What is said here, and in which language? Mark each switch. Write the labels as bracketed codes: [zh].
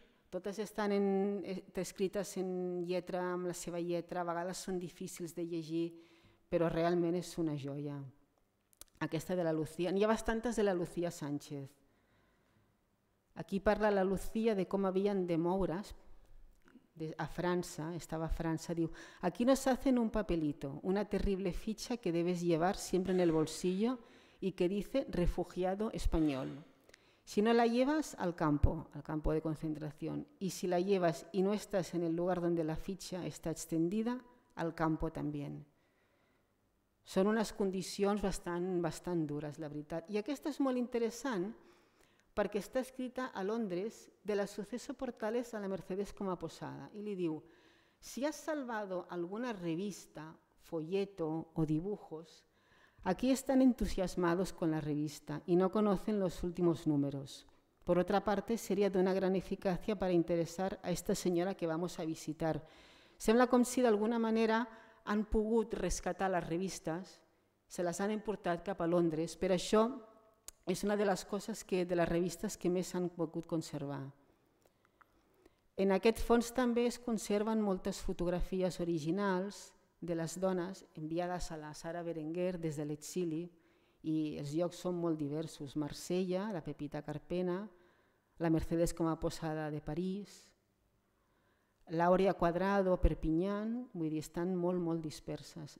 [ca] Totes estan escrites en lletra, amb la seva lletra, a vegades són difícils de llegir, però realment és una joia. Aquesta de la Lucía, n'hi ha bastantes de la Lucía Sánchez. Aquí parla la Lucía de com havien de moure's a França, estava a França, diu, [es] aquí nos hacen un papelito, una terrible ficha que debes llevar siempre en el bolsillo y que dice refugiado español. Si no la llevas, al campo de concentración, y si la llevas y no estás en el lugar donde la ficha está extendida, al campo también. [ca] Són unes condicions bastant dures, la veritat. I aquesta és molt interessant, perquè està escrita a Londres de la Suceso Portales a la Mercedes com a Posada i li diu, [es] si has salvado alguna revista, folleto o dibujos, Aquí están entusiasmados con la revista y no conocen los últimos números. Por otra parte, sería de una gran eficacia para interesar a esta señora que vamos a visitar. [ca] Sembla com si d'alguna manera han pogut rescatar les revistes, se les han importat cap a Londres, per això és una de les coses que, de les revistes que més han pogut conservar. En aquest fons també es conserven moltes fotografies originals de les dones enviades a la Sara Berenguer des de l'exili i els llocs són molt diversos, Marsella, la Pepita Carpena, la Mercedes com a posada de París, l'Àurea Cuadrado, Perpinyán, vull dir, estan molt, molt disperses.